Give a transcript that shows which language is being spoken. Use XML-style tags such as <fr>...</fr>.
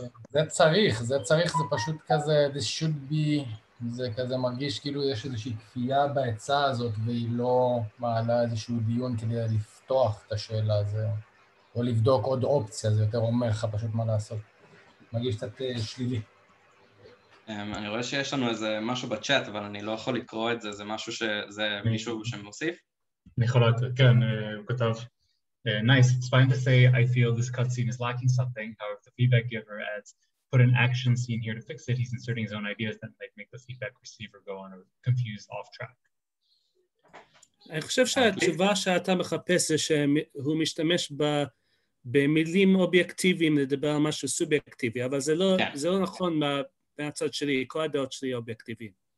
<he>זה צריך, זה פשוט כזה,</he> <en>this should be,</en> <he>זה כזה מרגיש כאילו יש איזושהי כפייה בהצעה הזאת, והיא לא מעלה איזשהו דיון כדי לפתוח את השאלה הזו, או לבדוק עוד אופציה, זה יותר אומר לך פשוט מה לעשות. מרגיש קצת שלילי. אני רואה שיש לנו איזה משהו בצ'אט, אבל אני לא יכול לקרוא את זה, זה משהו שזה מישהו שמוסיף? אני יכול להיות, כן, הוא כתב.</he> <en>Nice, it's fine to say I feel this cutscene is lacking something, however the feedback giver adds, put an action scene here to fix it, he's inserting his own ideas, then like make the feedback receiver go on a confused off track.</en> <he>אני חושב שהתשובה שאתה מחפש זה שהוא משתמש במילים אובייקטיביים לדבר על משהו סובייקטיבי, אבל זה לא נכון מהצד שלי, כל הדעות שלי אובייקטיביים.</he>